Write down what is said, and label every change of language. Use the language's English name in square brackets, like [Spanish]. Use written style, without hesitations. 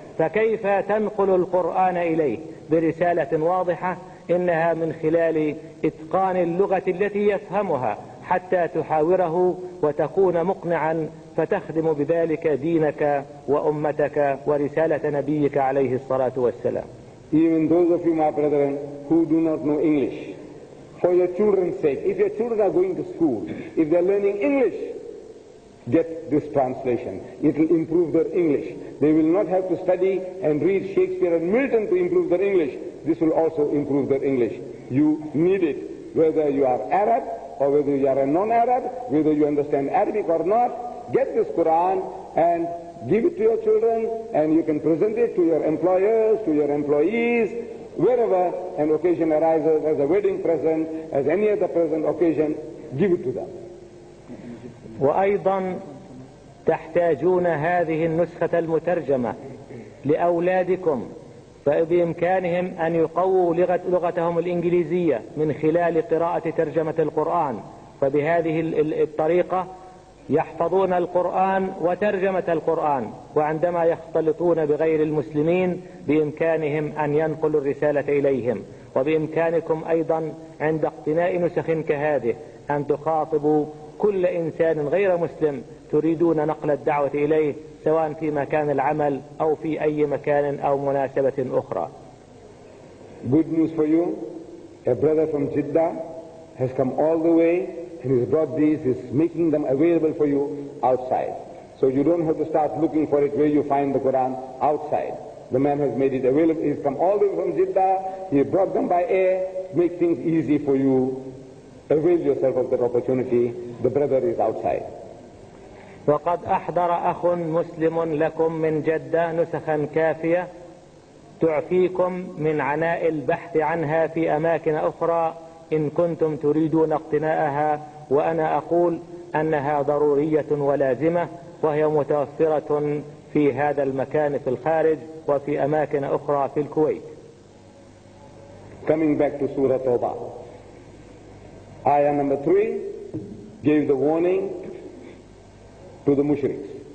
[Arabic] فكيف تنقل القرآن إليه برسالة واضحة؟ إنها من خلال إتقان اللغة التي يفهمها حتى تحاوره وتكون مقنعا، فتخدم بذلك دينك وأمتك ورسالة نبيك عليه الصلاة والسلام. [English] Even those of you, my brethren, who do not know English, for your children's sake, if your children are going to school, if they're learning English, get this translation. It will improve their English. They will not have to study and read Shakespeare and Milton to improve their English. This will also improve their English. You need it, whether you are Arab or whether you are a non-Arab, whether you understand Arabic or not. Get this Quran and give it to your children, and you can present it to your employers, to your employees, wherever an occasion arises, as a wedding present, as any other present occasion, give it to them. [Arabic] وأيضا تحتاجون هذه النسخة المترجمة لأولادكم، فبإمكانهم أن يقووا لغتهم الإنجليزية من خلال قراءة ترجمة القرآن، فبهذه الطريقة يحفظون القرآن وترجمة القرآن، وعندما يختلطون بغير المسلمين بإمكانهم أن ينقلوا الرسالة إليهم. وبإمكانكم أيضا عند اقتناء نسخ كهذه أن تخاطبوا كل إنسان غير مسلم تريدون نقل الدعوة إليه، سواء في مكان العمل أو في أي مكان أو مناسبة أخرى. [English] Good news for you. A brother from Jeddah has come all the way and he's brought these, he's making them available for you outside. So you don't have to start looking for it where you find the Quran outside. The man has made it available. He's come all the way from Jeddah. He brought them by air, make things easy for you. Avail yourself of that opportunity. The brother is outside. [Arabic] وقد أحضر أخ مسلم لكم من جدة نسخا كافية تعفيكم من عناء البحث عنها في أماكن أخرى إن كنتم تريدون اقتناءها. وأنا أقول أنها ضرورية ولازمة، وهي متوفرة في هذا المكان في الخارج وفي أماكن أخرى في الكويت. [English] Coming back to Surah Toba, Ayah number 3 gave the warning to the mushriks.